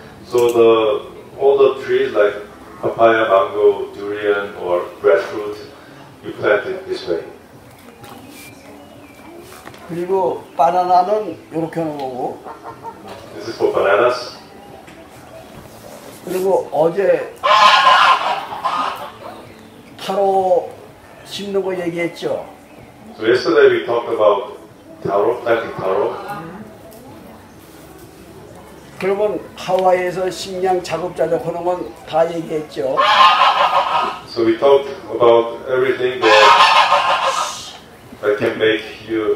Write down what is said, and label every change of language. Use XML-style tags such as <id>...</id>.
<en>So the all the trees like papaya, mango, durian, or breadfruit, you plant it this way.</en> <ko>그리고 바나나는 이렇게 하는 거고.</ko> <en>This is for bananas.</en> <ko>그리고 어제 타로 심는 거 얘기했죠.</ko> <en>So yesterday we talked about taro, planting taro.</en> <ko>그러면 하와이에서 식량 작업 자족 하는 건 다 얘기했죠.</ko> <en>So we talked about everything that I can make you.</en>